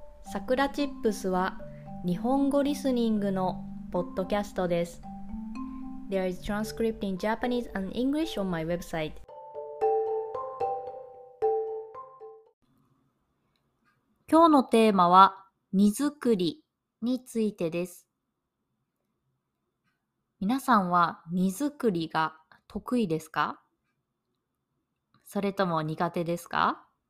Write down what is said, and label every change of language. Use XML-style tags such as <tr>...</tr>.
<ja>さくらチップスは日本語リスニングのポッドキャストです。</ja> <en>There is transcript in Japanese and English on my website。</en> <ja>今日のテーマは荷造りについてです。皆さんは荷造りが得意ですか？それとも苦手ですか？</ja>